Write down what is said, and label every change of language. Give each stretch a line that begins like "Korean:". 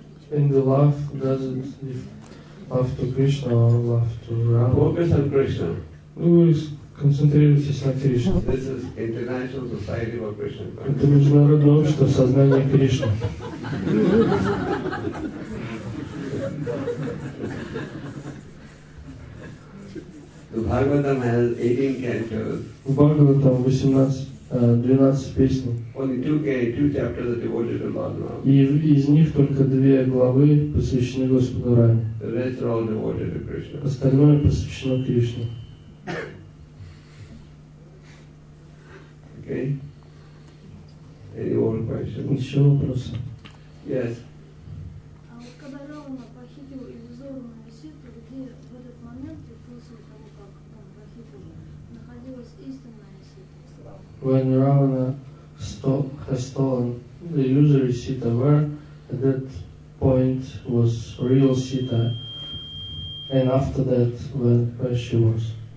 English: And the love doesn't love to Krishna or love to Ram. Focus on Krishna.
Russian: Концентрируйтесь на Кришне.
English: This is International Society of Krishna Consciousness.
Russian: Это международное общество сознания Кришны.
English: The Bhagavatam has 18 cantos.
Russian: У Бхагаватам 12 песен.
English: Only two chapters are devoted to Lord Rama.
Russian: И из них только две главы посвящены Господу Раме.
English: The rest are all devoted to Krishna.
Russian: Остальное посвящено Кришне.
English: Okay. Any more questions?
Russian: Еще вопросы?
English: Yes.
Russian: А вот когда Равана похитил иллюзорную Ситу, где в этот момент, после того, как он похитил, находилась истинная Сита?
English: When Ravana has stolen the illusory Sita, where at that point was real Sita, and after that, where she was?